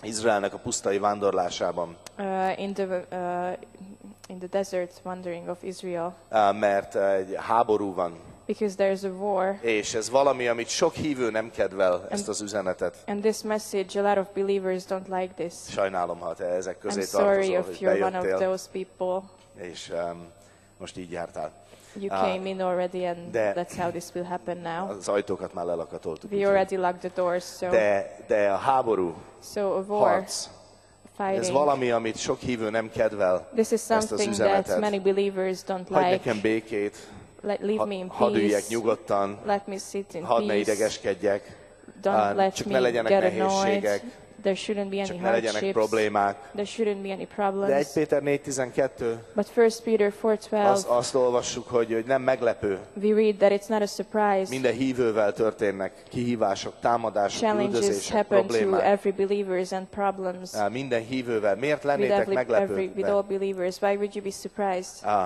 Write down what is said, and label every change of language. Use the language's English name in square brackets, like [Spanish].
[Hungarian] Izraelnek a pusztai vándorlásában. [English] In the desert wandering of Israel. [Hungarian] Mert egy háború van. [English] Because there is a war. [Hungarian] És ez valami, amit sok hívő nem kedvel, ezt az üzenetet. [English] And this message, a lot of believers don't like this. [Hungarian] Sajnálom, ha te ezek közé tartozol, hogy bejöttél. [English] I'm sorry if you're one of those people. [Hungarian] És most így jártál. [English] You came in already, and that's how this will happen now. [Hungarian] Az ajtókat már lelakatoltuk. [English] We already locked the doors, so. [Hungarian] De a háború. [English] So a war. [Hungarian] Harc. [English] Fighting. [Hungarian] Ez valami, amit sok hívő nem kedvel. [English] This is something that many believers don't like. [Hungarian] Hagyj nekem békét. [English] Leave me in peace. [Hungarian] Hadd üljek nyugodtan. [English] Let me sit in peace. [Hungarian] Hadd ne idegeskedjek. [English] Don't let me get annoyed. [Hungarian] Csak ne legyenek nehézségek. [English] There shouldn't be any [Hungarian] hardships. Csak ne legyenek problémák. [English] There shouldn't be any problems. [Hungarian] De 1 Péter 4:12. [English] But 1 Peter 4:12. [Hungarian] Azt olvassuk, hogy nem meglepő. [English] We read that it's not a surprise. [Hungarian] Minden hívővel történnek kihívások, támadások, [English] challenges [Hungarian] üldözések, problémák. [English] Challenges happen to every believers and problems. [Hungarian] Minden hívővel. Miért lennétek meglepő? [English] With all believers, why would you be surprised?